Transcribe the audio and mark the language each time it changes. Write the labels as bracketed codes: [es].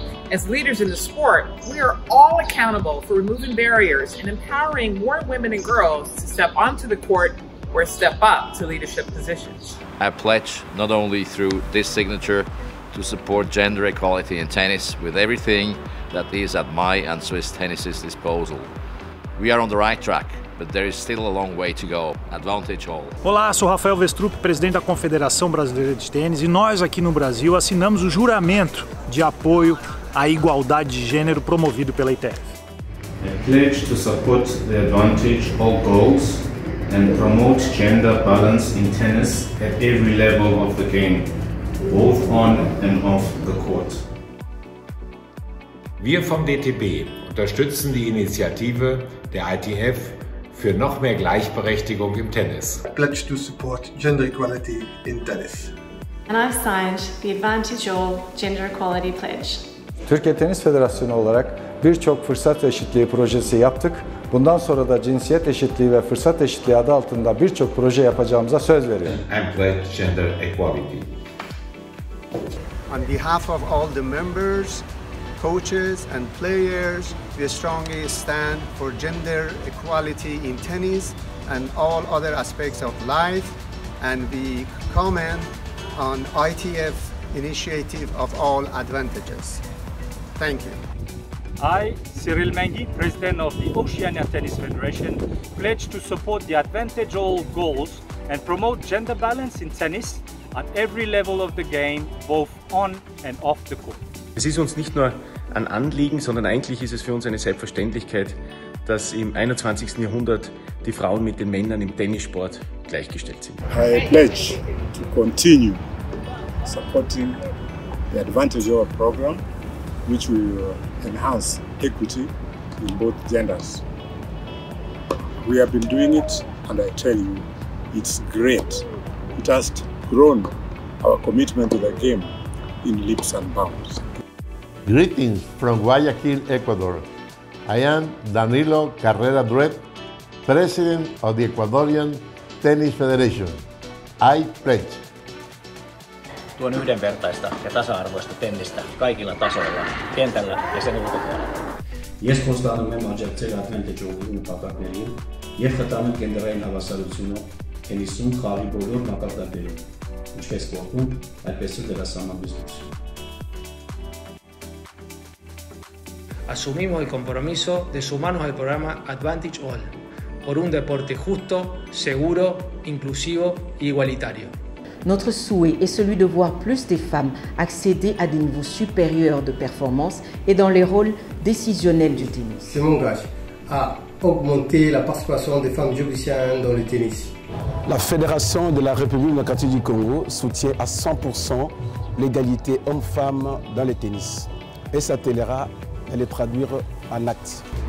[en] As leaders in the sport, we are all accountable for removing barriers and empowering more women and girls to step onto the court or step up to leadership positions. I pledge not only through this signature to support gender equality in tennis with everything that is at my and Swiss Tennis's disposal. We are on the right track, but there is still a long way to go. Advantage all. [pt] Olá, sou Rafael Vestrup, presidente da Confederação Brasileira de Tênis, e nós aqui no Brasil assinamos o juramento de apoio à igualdade de gênero promovido pela ITF. [en] I pledge to support the advantage all goals and promote gender balance in tennis at every level of the game, both on and off the court. [de] Wir vom DTB unterstützen die Initiative der ITF für noch mehr Gleichberechtigung im Tennis. [en] Pledge to support gender equality in tennis. And I've signed the Advantage All Gender Equality Pledge. [tr] Türkiye Tenis Federasyonu olarak birçok fırsat eşitliği projesi yaptık. Bundan sonra da cinsiyet eşitliği ve fırsat eşitliği adı altında birçok proje yapacağımıza söz veriyorum. [en] And pledge gender equality. On behalf of all the members, coaches and players, we strongly stand for gender equality in tennis and all other aspects of life, and we comment on ITF initiative of all advantages. Thank you. I, Cyril Mengi, president of the Oceania Tennis Federation, pledge to support the Advantage All goals and promote gender balance in tennis at every level of the game, both on and off the court. [de] Es ist uns nicht nur ein Anliegen, sondern eigentlich ist es für uns eine Selbstverständlichkeit, dass im 21. Jahrhundert die Frauen mit den Männern im Tennissport gleichgestellt sind. [en] I pledge to continue supporting the Advantage All program, which will enhance equity in both genders. We have been doing it, and I tell you, it's great. It has grown our commitment to the game in leaps and bounds. Greetings from Guayaquil, Ecuador. I am Danilo Carrera Druet, President of the Ecuadorian Tennis Federation. I pledge. [fi] Tuon yhdenvertaista ja tasa-arvoista tennistä kaikilla tasoilla, kentällä ja sen ulkopuolella. [hy] Ես խոստանում եմ աջակցել Advantage All-ի նպատակներին և խթանել գենդերային հավասարությունը տենիսում խաղի բոլոր մակարդակներում, ինչպես սպորտում, այդպես էլ դերասանագիտությունում. [es] Asumimos el compromiso de sumarnos al programa Advantage All por un deporte justo, seguro, inclusivo y igualitario. [fr] Notre souhait est celui de voir plus de femmes accéder à des niveaux supérieurs de performance et dans les rôles décisionnels du tennis. Je m'engage à augmenter la participation des femmes judiciaires dans le tennis. La Fédération de la République démocratique du Congo soutient à 100% l'égalité hommes-femmes dans le tennis et s'attellera à les traduire en actes.